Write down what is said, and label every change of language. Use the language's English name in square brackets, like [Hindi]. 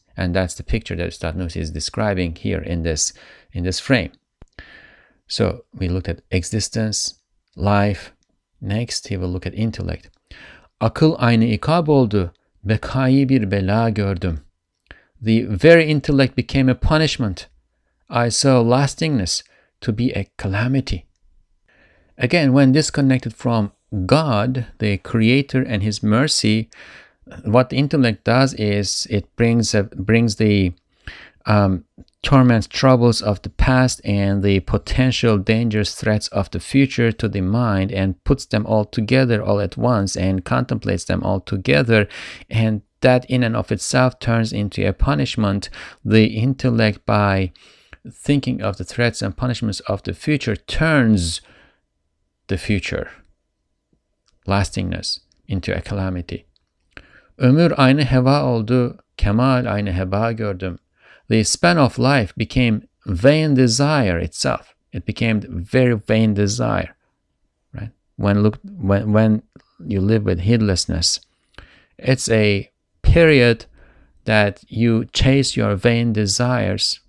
[English] And that's the picture that Stadnusi is describing here in this frame. So we looked at existence, life. Next, he will look at intellect. [Turkish] Akıl aynı ikab oldu, bekayı bir bela gördüm. [English] The very intellect became a punishment. I saw lastingness to be a calamity. Again, when disconnected from God, the Creator, and His mercy, what the intellect does is it brings the torments, troubles of the past and the potential dangerous threats of the future to the mind and puts them all together all at once and contemplates them all together. And that in and of itself turns into a punishment. The intellect, by thinking of the threats and punishments of the future, turns the future, lastingness, into a calamity. [Turkish] Ömür aynı heva oldu, kemal aynı heba gördüm. [English] The span of life became vain desire itself. It became very vain desire, right? When you live with heedlessness, it's a period that you chase your vain desires.